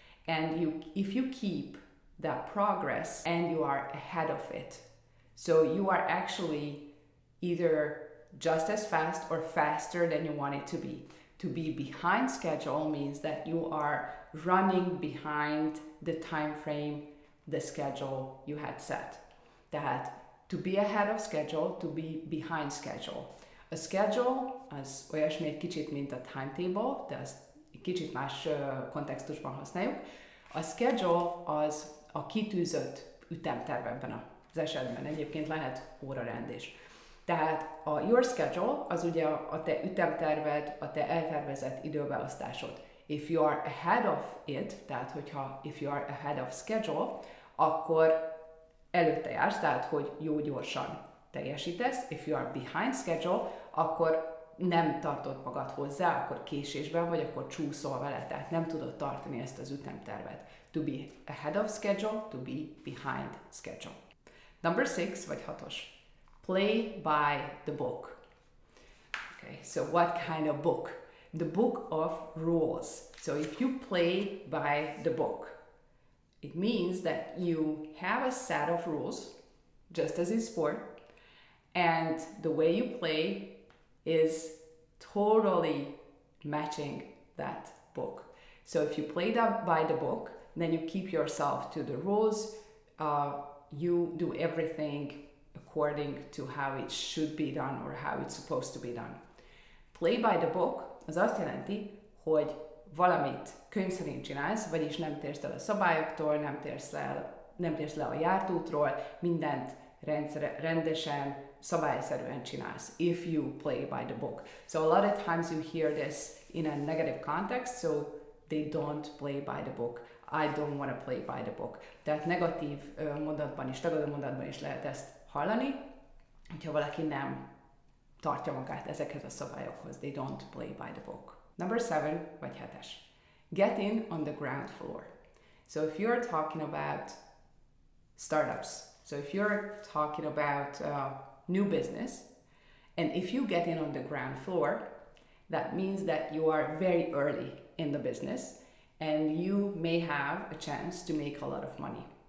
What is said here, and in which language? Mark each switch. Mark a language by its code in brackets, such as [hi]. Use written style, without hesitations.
[en] And you, if you keep that progress and you are ahead of it, so you are actually either just as fast or faster than you want it to be. To be behind schedule means that you are running behind the time frame, the schedule you had set. Tehát to be ahead of schedule, to be behind schedule. [hu] A schedule az olyasmi egy kicsit, mint a timetable, de ezt egy kicsit más kontextusban használjuk. A schedule az a kitűzött ütemterv ebben az esetben. Egyébként lehet órarend is. Tehát a [en] your schedule [hu] az ugye a te ütemterved, a te eltervezett időbeosztásod. [en] If you are ahead of it, [hu] tehát hogyha [en] if you are ahead of schedule, [hu] akkor előtte jársz, tehát hogy jó gyorsan teljesítesz. [en] If you are behind schedule, [hu] akkor nem tartod magad hozzá, akkor késésben vagy, akkor csúszol vele, tehát nem tudod tartani ezt az ütemtervet. [en] To be ahead of schedule, to be behind schedule. Number 6, [hu] vagy 6-os. [en] Play by the book. Okay, so what kind of book? The book of rules. So if you play by the book, it means that you have a set of rules, just as in sport, and the way you play is totally matching that book. So if you play that by the book, then you keep yourself to the rules, you do everything according to how it should be done or how it's supposed to be done. Play by the book [hu] az azt jelenti, hogy valamit könyv szerint csinálsz, vagyis nem térsz el a szabályoktól, nem térsz le a jártútról, mindent rendesen, szabályszerűen csinálsz. [en] If you play by the book. So a lot of times you hear this in a negative context, so they don't play by the book. I don't want to play by the book. [hu] Tehát negatív mondatban is, tagadó mondatban is lehet ezt hallani, hogyha valaki nem tartja magát ezekhez a szabályokhoz. [en] They don't play by the book. Number 7, [hu] vagy 7-es. [en] Get in on the ground floor. So if you're talking about startups, so if you're talking about new business, and if you get in on the ground floor, that means that you are very early in the business, and you may have a chance to make a lot of money.